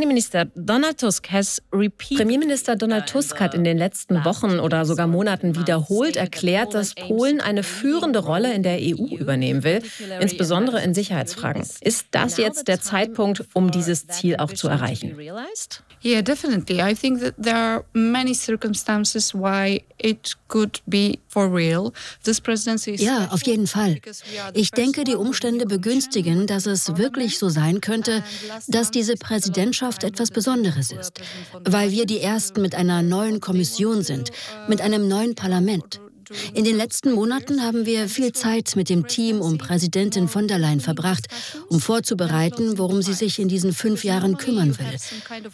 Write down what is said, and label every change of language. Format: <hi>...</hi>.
<de>Premierminister Donald Tusk hat in den letzten Wochen oder sogar Monaten wiederholt erklärt, dass Polen eine führende Rolle in der EU übernehmen will, insbesondere in Sicherheitsfragen. Ist das jetzt der Zeitpunkt, um dieses Ziel auch zu erreichen?</de> <en>Yeah, definitely. I think that there are many circumstances why it could be for real. This presidency is.</en> <de>Ja, auf jeden Fall. Ich denke, die Umstände begünstigen, dass es wirklich so sein könnte, dass diese Präsidentschaft etwas Besonderes ist, weil wir die Ersten mit einer neuen Kommission sind, mit einem neuen Parlament. In den letzten Monaten haben wir viel Zeit mit dem Team um Präsidentin von der Leyen verbracht, um vorzubereiten, worum sie sich in diesen 5 Jahren kümmern will.</de>